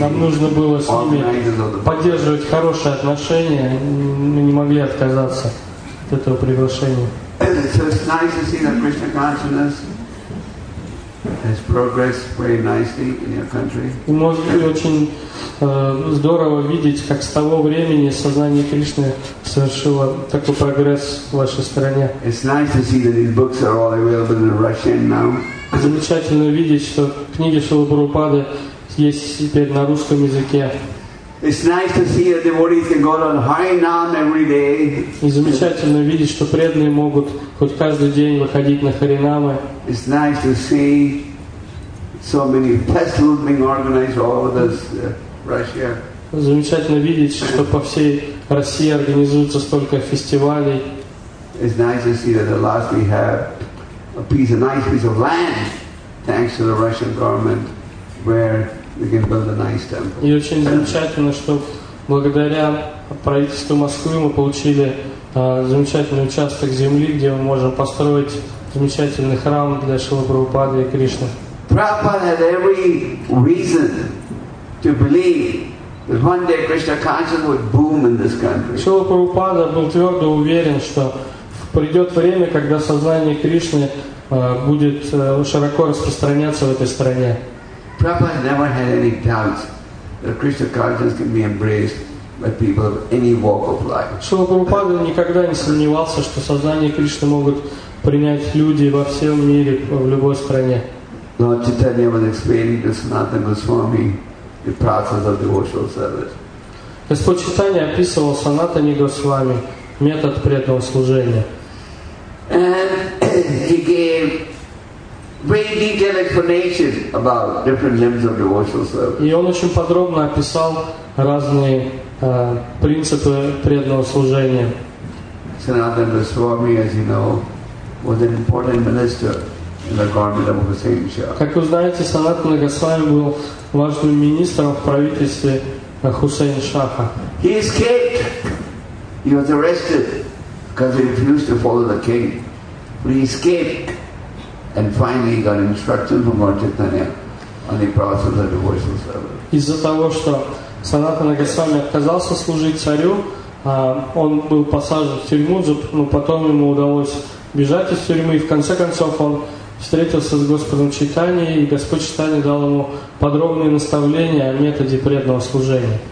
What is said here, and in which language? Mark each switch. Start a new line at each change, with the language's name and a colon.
Russian: Нам нужно было с ними поддерживать хорошие отношения. Мы не могли отказаться от этого приглашения.
English: So it's nice to see that Krishna consciousness has progressed very nicely in your country.
Russian: И может быть очень здорово видеть, как с того времени сознание Кришны совершило такой прогресс в вашей стране.
English: It's nice to see that these books are all available in Russian now.
Russian: Замечательно видеть, что книги Шрилы Прабхупады есть теперь на русском языке.
English: It's nice to see that devotees can go on Harinam every day.
Russian: И замечательно видеть, что преданные могут хоть каждый день выходить на Харинамы.
English: It's nice to see so many festivals being organized all over this Russia.
Russian: Замечательно видеть, что по всей России организуется столько фестивалей.
English: It's nice to see that at last we have a nice piece of land, thanks to the Russian government, where we can build a nice temple.
Russian: И очень замечательно, что благодаря правительству Москвы мы получили замечательный участок земли, где мы можем построить замечательный храм для Шрилы Прабхупады и Кришны.
English: Prabhupada had every reason to believe that one day Krishna consciousness would boom in this country.
Russian: Шрила Прабхупада был твердо уверен, что придет время, когда сознание Кришны будет широко распространяться в этой стране.
English: Prabhupada never had any doubts that Krishna consciousness can be embraced by people of any walk of life.
Russian: Шрила Прабхупада никогда не сомневался, что сознание Кришны могут принять люди во всем мире, в любой стране.
English: Lord Chaitanya was explaining to Sanatana Goswami the process of devotional service.
Russian: Господь Чайтанья описывал Санатане Госвами метод преданного служения.
English: And he gave very detailed explanation about different limbs of devotional service.
Russian: И он очень подробно описал разные принципы преданного служения.
English: Sanatana Goswami, as you know, was an important minister in the government of Hussain Shah.
Russian: Как вы знаете, Санатана Госвами был важным министром в правительстве Хусейн Шаха.
English: He escaped. He was arrested because he refused to follow the king. But he escaped and finally got instructions from Lord Chaitanya on the process of the devotional service.
Russian: Из-за того, что Санатана Госвами отказался служить царю, Он был посажен в тюрьму, но потом ему удалось бежать из тюрьмы, и в конце концов он встретился с Господом Чайтани, и Господь Чайтани дал ему подробные наставления о методе преданного служения.